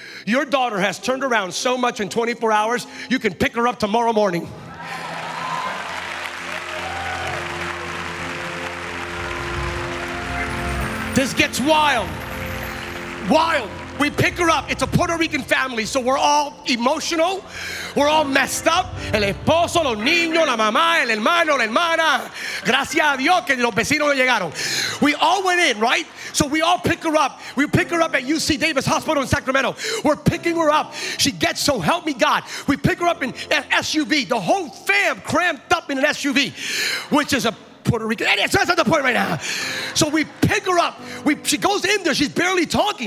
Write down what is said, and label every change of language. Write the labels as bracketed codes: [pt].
[en] Your daughter has turned around so much in 24 hours, you can pick her up tomorrow morning. This gets wild. Wild. We pick her up. It's a Puerto Rican family, so we're all emotional. We're all messed up. [es] El esposo, los niños, la mamá, el hermano, la hermana. Gracias a Dios que los vecinos llegaron. [en] We all went in, right? So we all pick her up. We pick her up at UC Davis Hospital in Sacramento. We're picking her up. She gets, so help me God. We pick her up in an SUV. The whole fam cramped up in an SUV, which is a Puerto Rican. And that's not the point right now. So we pick her up. She goes in there. She's barely talking.